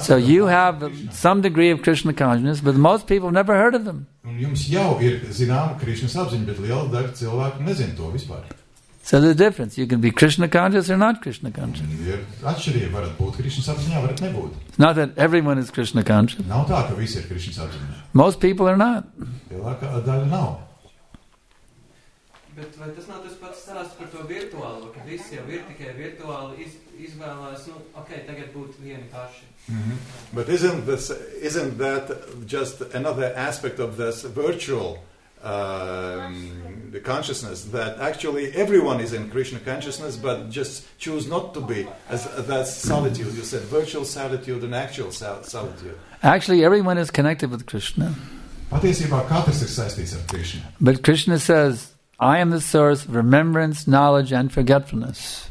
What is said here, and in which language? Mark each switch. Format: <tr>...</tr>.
<en>So you have some degree of Krishna consciousness, but most people have never heard of them.</en> <lv>Un jums jau ir zināma Krishnas apziņa, bet liela daļa cilvēku nezin to vispār.</lv> <en>So the difference, you can be Krishna conscious or not Krishna conscious.</en> <lv>Ir atšķirība, varat būt Krishnas apziņā, varat nebūt.</lv> <en>It's not that everyone is Krishna conscious.</en> <lv>Nav tā, ka visi ir Krishnas apziņā.</lv> <en>Most people are not.</en> <lv>Lielākā daļa nav. Bet vai tas nav tas pats stāsts par to virtuālo, ka visi jau ir tikai virtuāli izvēlās, nu, okay, tagad būt vieni paši. Mm-hmm.</lv> <en>But isn't that just another aspect of this virtual the consciousness, that actually everyone is in Krishna consciousness, but just choose not to be, as that solitude, you said, virtual solitude and actual solitude. Actually, everyone is connected with Krishna.</en> <lv>Patiesībā katrs ir saistīts ar Krishna.</lv> <en>But Krishna says, I am the source of remembrance, knowledge and forgetfulness.</en>